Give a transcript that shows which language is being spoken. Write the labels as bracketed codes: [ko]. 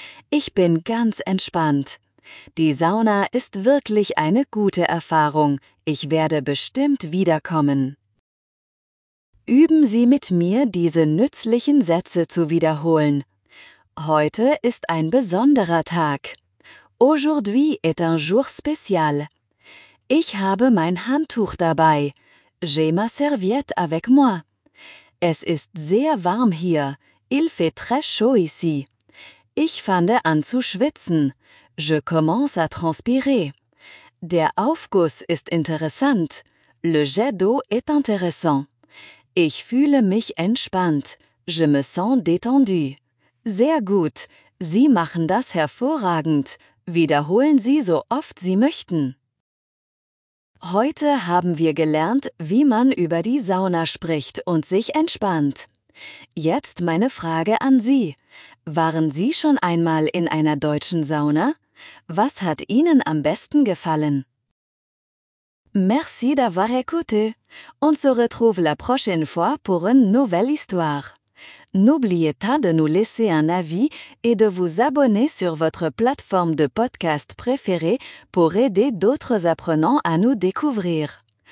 [de] Ich bin ganz entspannt. Die Sauna ist wirklich eine gute Erfahrung. Ich werde bestimmt wiederkommen. Üben Sie mit mir, diese nützlichen Sätze zu wiederholen. Heute ist ein besonderer Tag. [fr] Aujourd'hui est un jour spécial. [de] Ich habe mein Handtuch dabei. [fr] J'ai ma serviette avec moi. Es ist sehr warm hier. Il fait très chaud ici. [de] Ich fange an zu schwitzen. [fr] Je commence à transpirer. [de] Der Aufguss ist interessant. [fr] Le jet d'eau est intéressant. [de] Ich fühle mich entspannt. [fr] Je me sens détendu. [de] Sehr gut. Sie machen das hervorragend. Wiederholen Sie so oft Sie möchten. Heute haben wir gelernt, wie man über die Sauna spricht und sich entspannt. Jetzt meine Frage an Sie. Waren Sie schon einmal in einer deutschen Sauna? Was hat Ihnen am besten gefallen? [fr] Merci d'avoir écouté. On se retrouve la prochaine fois pour une nouvelle histoire. N'oubliez pas de nous laisser un avis et de vous abonner sur votre plateforme de podcast préférée pour aider d'autres apprenants à nous découvrir.